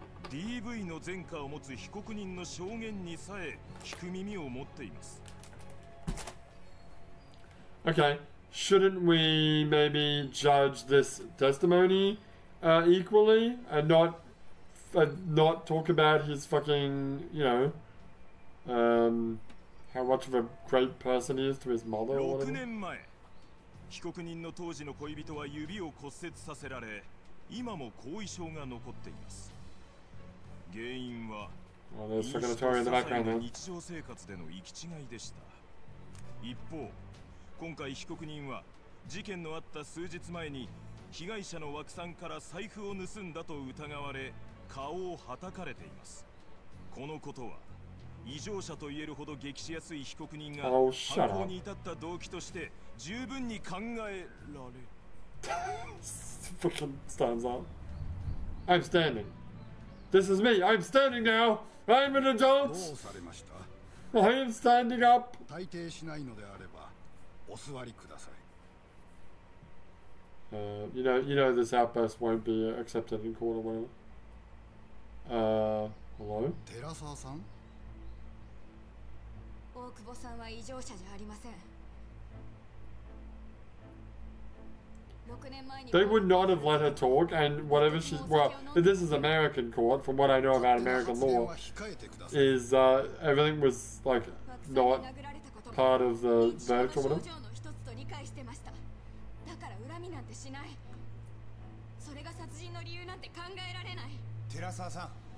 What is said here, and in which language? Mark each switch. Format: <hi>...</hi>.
<ja>DV の前科を持つ被告人の証言にさえ聞く耳を持っています。</ja> <en>Okay, shouldn't we maybe judge this testimony equally and not talk about his fucking, you know, how much of a great person he is to his mother or whatever?</en> <ja>6年前、被告人の当時の恋人は指を骨折させられ、今も後遺症が残っています。原因は、日常生活での行き違いでした。一方、今回被告人は事件のあった数日前に被害者の枠さんから財布を盗んだと疑われ、顔をはたかれています。このことは、異常者といえるほど激しやすい被告人が犯行に至った動機として十分に考えられ。</ja> <en>Fucking stands up. I'm standing. This is me. I'm standing now. I'm an adult.</en> <ja>どうされました?</ja> <en>I am standing up.</en> <ja>退廷しないのであれば、お座りください。</ja> <en>You know this outburst won't be accepted in court or whatever. Hello?</en> <ja>寺澤さん? 大久保さんは異常者じゃありません。</ja> <en>They would not have let her talk, and whatever she... Well, this is American court, from what I know about American law, is everything was, like, not part of the verdict or whatever.</en>